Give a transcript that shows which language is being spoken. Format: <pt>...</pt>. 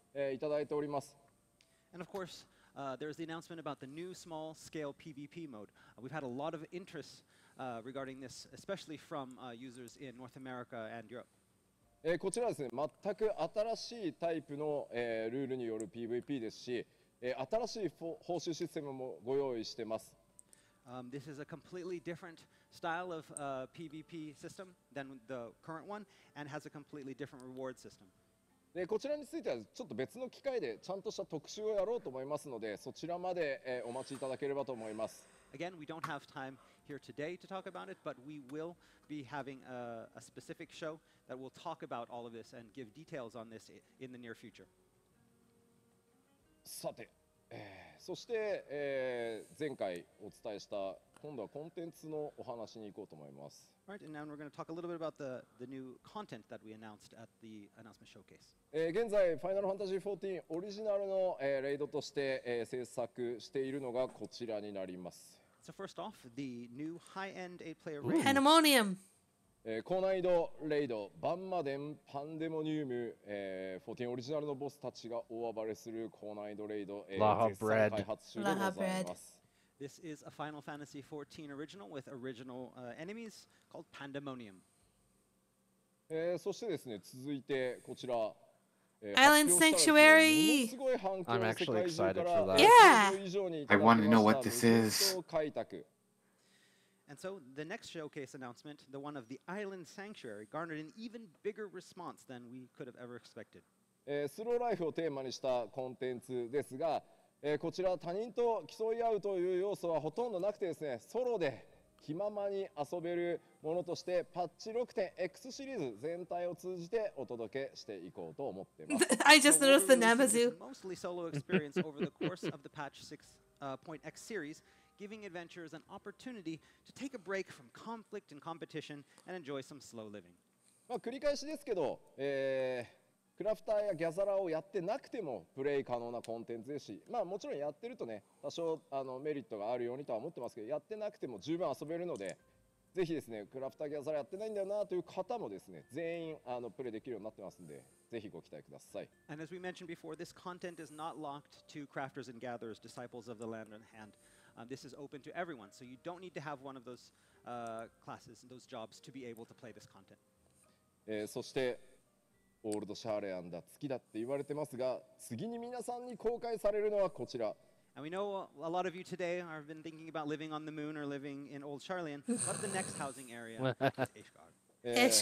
<en>And of course, there's the announcement about the new small scale PvP mode. We've had a lot of interest regarding this, especially from users in North America and Europe.</en> <ja>こちらはですね、全く新しいタイプのルールによるPvPですし、新しい報酬システムもご用意してます。</ja> <en>This is a completely different style of PvP system than the current one, and has a completely different reward system.</en> <ja>こちらについてはちょっと別の機会でちゃんとした特集をやろうと思いますので、そちらまでお待ちいただければと思います。</ja> <en>Again, we don't have time here today to talk about it, but we will be having a specific show that will talk about all of this and give details on this in the near future.</en> <ja>さて、そして、前回お伝えした今度はコンテンツのお話に行こうと思います。</ja> <en>Right, and now we're going to talk a little bit about the new content that we announced at the announcement showcase.</en> <ja>現在、Final Fantasy XIV オリジナルの、レイドとして、制作しているのがこちらになります。</ja> <en>So first off, the new high-end 8-player raid. Pandemonium!</en> <ja>高難易度レイド、バンマデン、パンデモニウム、14オリジナルのボスたちが大暴れする高難易度レイド、絶賛開発中でございます。</ja> <en>This is a Final Fantasy XIV original with original enemies called Pandemonium.</en> <ja>そしてですね、続いてこちら、</ja> <en>Island Sanctuary! I'm actually excited for that. Yeah! I want to know what this is. And so the next showcase announcement, the one of the Island Sanctuary, garnered an even bigger response than we could have ever expected.</en> <ja>スローライフをテーマにしたコンテンツですが、こちら他人と競い合うという要素はほとんどなくてですね、ソロで気ままに遊べるものとしてパッチ 6.x シリーズ全体を通じてお届けしていこうと思ってます。</ja> <en>I just noticed the Namazu. Mostly solo experience over the course of the patch 6.x series, giving adventurers an opportunity to take a break from conflict and competition and enjoy some slow living.</en> <ja>まあ繰り返しですけど、クラフターやギャザラーをやってなくてもプレイ可能なコンテンツですし、まあもちろんやってるとね、多少あのメリットがあるようにとは思ってますけど、やってなくても十分遊べるので、ぜひですね、クラフターギャザラーやってないんだよなという方もですね、全員あのプレイできるようになってますんで、ぜひご期待ください。</ja> <en>And as we mentioned before, this content is not locked to crafters and gatherers, disciples of the land on hand. This is open to everyone, so you don't need to have one of those classes, those jobs to be able to play this content.</en> <ja>そしてオールドシャーレアンだ月だって言われてますが次に皆さんに公開されるのはこちら</ja> <en>And we know a lot of you today have been thinking about living on the moon or living in old Charlian but the next housing area is</en>